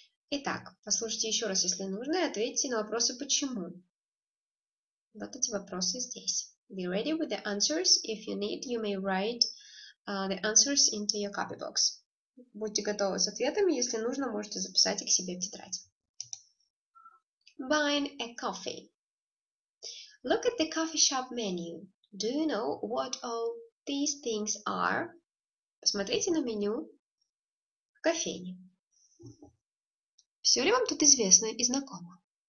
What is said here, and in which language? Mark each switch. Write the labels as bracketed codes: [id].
[ru] Итак, послушайте еще раз, если нужно, и ответьте на вопросы почему. Вот эти вопросы здесь. [en] Be ready with the answers. If you need, you may write the answers into your copy box. [ru] Будьте готовы с ответами, если нужно, можете записать их себе в тетрадь. [en] Buying a coffee. Look at the coffee shop menu. Do you know what all these things are? [ru] Посмотрите на меню в кофейне. Все ли вам тут известно и знакомо?